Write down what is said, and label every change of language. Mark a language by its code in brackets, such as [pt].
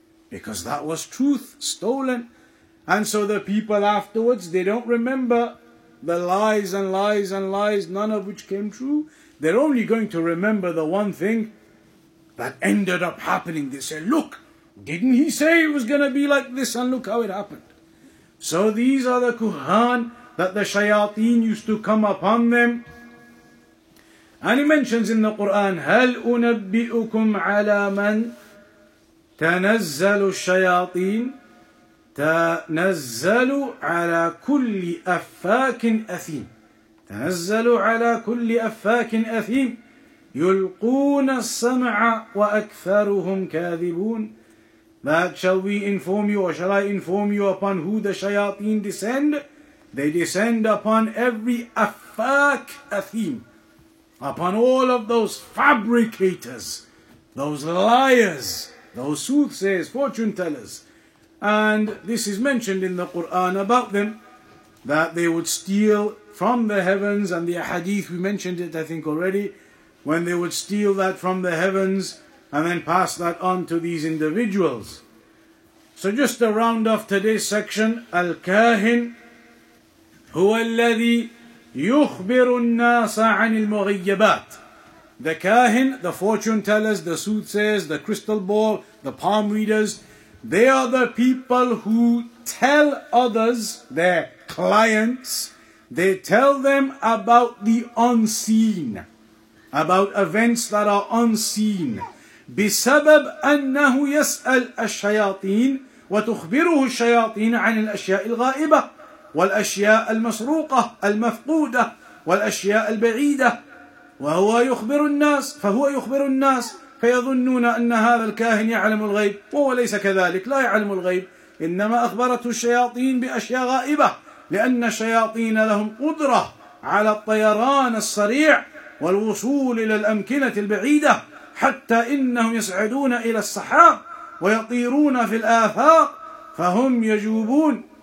[en] Because that was truth, stolen. And so the people afterwards, they don't remember the lies and lies and lies, none of which came true. They're only going to remember the one thing that ended up happening. They say, look, didn't he say it was going to be like this, and look how it happened. So these are the kuhan that the shayateen used to come upon them. And he mentions in the Quran, [ar] هَلْ أُنَبِّئُكُمْ عَلَى مَنْ تَنَزَّلُ الشَّيَاطِينَ تَنَزَّلُ عَلَى كُلِّ أَفَّاكٍ أَثِيمٍ تَنَزَّلُ عَلَى كُلِّ أَفَّاكٍ أَثِيمٍ يُلْقُونَ السَّمْعَ وَأَكْثَرُهُمْ كَاذِبُونَ. [en] That shall we inform you, or shall I inform you upon who the shayateen descend? They descend upon every affak athim, upon all of those fabricators, those liars, those soothsayers, fortune tellers. And this is mentioned in the Quran about them, that they would steal from the heavens, and the hadith, we mentioned it I think already, when they would steal that from the heavens and then pass that on to these individuals. So just to round off today's section, Al-Kahin, [ar] هو الذي يخبر الناس عن المغيبات. [en] The kahin, the fortune tellers, the soothsayers, the crystal ball, the palm readers, they are the people who tell others, their clients, they tell them about the unseen, about events that are unseen. [ar] بسبب أنه يسأل الشياطين وتخبره الشياطين عن الأشياء الغائبة والأشياء المسروقة المفقودة والأشياء البعيدة. وهو يخبر الناس فهو يخبر الناس فيظنون أن هذا الكاهن يعلم الغيب وهو ليس كذلك لا يعلم الغيب إنما أخبرته الشياطين بأشياء غائبة لأن الشياطين لهم قدرة على الطيران السريع والوصول إلى الأمكنة البعيدة حتى إنهم يصعدون إلى السحاب ويطيرون في الآفاق فهم يجوبون